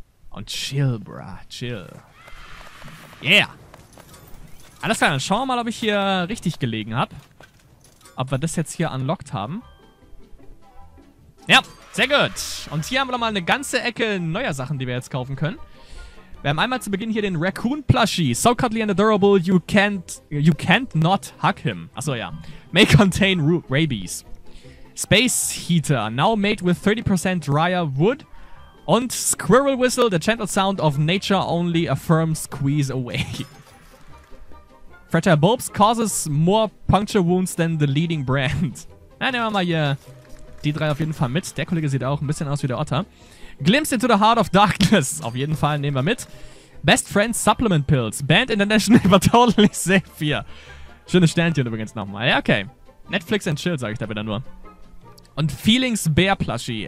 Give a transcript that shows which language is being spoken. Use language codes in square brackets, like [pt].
[en] Und chill, bruh. Chill. Yeah. [de] Alles klar, dann schauen wir mal, ob ich hier richtig gelegen habe. Ob wir das jetzt hier unlocked haben. Ja, sehr gut. Und hier haben wir nochmal eine ganze Ecke neuer Sachen, die wir jetzt kaufen können. Wir haben einmal zu Beginn hier den Raccoon Plushie. [en] So cuddly and adorable, you can't not hug him. [de] Achso, ja. [en] May contain rabies. Space Heater, now made with 30% drier wood. Und Squirrel Whistle, the gentle sound of nature only a firm squeeze away. Fragile Bulbs causes more puncture wounds than the leading brand. [de] Na, nehmen wir mal hier die drei auf jeden Fall mit. Der Kollege sieht auch ein bisschen aus wie der Otter. [en] Glimpse into the heart of darkness. [de] Auf jeden Fall nehmen wir mit. [en] Best Friends Supplement Pills. Banned internationally, but totally safe here. [de] Schöne Sternchen übrigens nochmal. Ja, okay. Netflix and chill, sage ich da wieder nur. Und Feelings Bear Plushie.